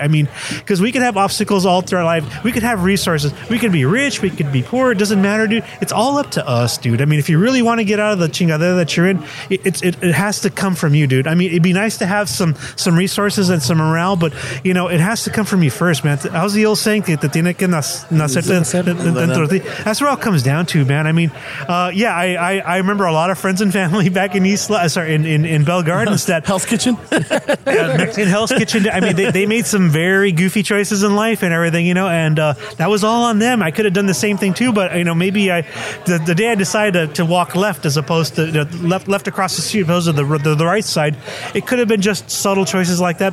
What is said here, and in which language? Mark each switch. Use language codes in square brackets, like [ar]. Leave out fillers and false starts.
[en] I mean, because we can have obstacles all through our life. We could have resources. We could be rich. We could be poor. It doesn't matter, dude. It's all up to us, dude. I mean, if you really want to get out of the chingadera that you're in, it has to come from you, dude. I mean, it'd be nice to have some resources and some morale, but, you know, it has to come from you first, man. How's the old saying? [es] Que te tiene que nacer dentro de ti. [en] That's where it all comes down to, man. I mean, yeah, I remember a lot of friends and family back in in Bell Gardens. That Hell's Kitchen? In Hell's Kitchen. I mean, they made some very goofy choices in life and everything, you know, and that was all on them. I could have done the same thing too, but, you know, maybe the day I decided to walk left as opposed to left across the street, opposed to the right side, it could have been just subtle choices like that.